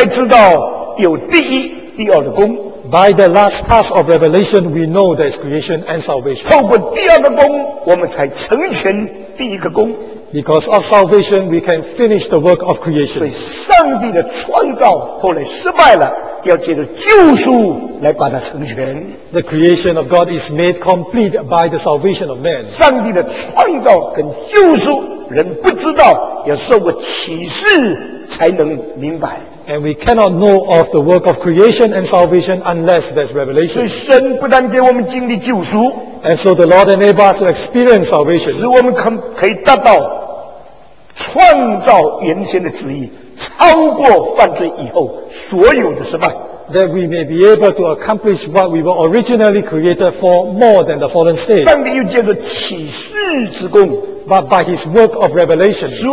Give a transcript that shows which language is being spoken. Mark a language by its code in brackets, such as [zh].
[zh] 救赎之功，启示之功，透过第三的功，我们才知道有第一、第二的功。 [en] By the last task of revelation, we know there is creation and salvation. [zh] 透过第二的功，我们才成全第一个功。 [en] Because of salvation, we can finish the work of creation. [zh] 所以上帝的创造后来失败了。要借着救赎来把它成全。 [en] The creation of God is made complete by the salvation of man. [zh] 上帝的创造跟救赎，人不知道，要受过启示才能明白。 [en] And we cannot know of the work of creation and salvation unless there's revelation. [zh] 所以神不但给我们经历救赎， [en] And so the Lord enables us to experience salvation. [zh] 使我们可以达到创造原先的旨意。超过犯罪以后所有的失败。 [en] That we may be able to accomplish what we were originally created for more than the fallen state. [zh] 上帝又借着启示之功, [en] but by his work of revelation,